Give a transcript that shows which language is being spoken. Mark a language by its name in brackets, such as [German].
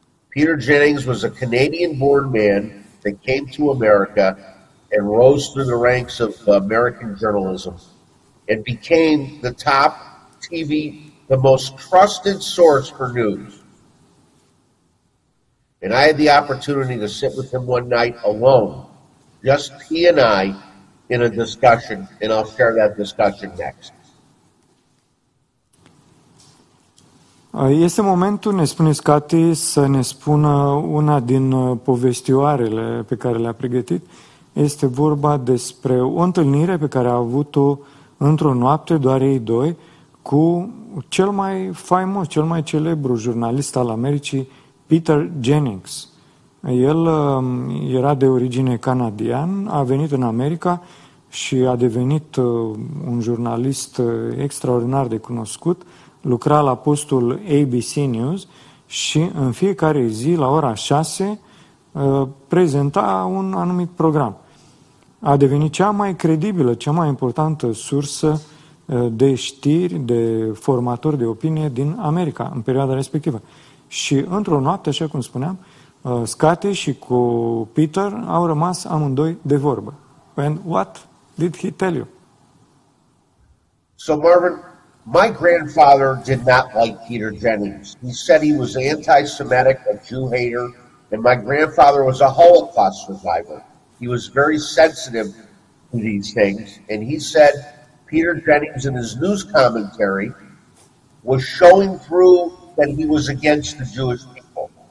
[English] Peter Jennings was a Canadian-born man that came to America and rose through the ranks of American journalism and became the top TV, the most trusted source for news. And I had the opportunity to sit with him one night alone, just he and I, in a discussion, and I'll share that discussion next. [Romanian] Este momentul, ne spune Cathy, să ne spună una din povestioarele pe care le-a pregătit. Este vorba despre o întâlnire pe care a avut-o într-o noapte, doar ei doi, cu cel mai faimos, cel mai celebru jurnalist al Americii, Peter Jennings. El era de origine canadian, a venit în America și a devenit un jurnalist extraordinar de cunoscut, lucra la postul ABC News și în fiecare zi, la ora 6, prezenta un anumit program. A devenit cea mai credibilă, cea mai importantă sursă de știri, de formatori de opinie din America în perioada respectivă. Și într-o noapte, așa cum spuneam, Scate și cu Peter au rămas amândoi de vorbă. [English] And what did he tell you? So, Marvin, my grandfather did not like Peter Jennings. He said he was anti-Semitic, a Jew hater, and my grandfather was a Holocaust survivor. He was very sensitive to these things, and he said Peter Jennings in his news commentary was showing through that he was against the Jewish people.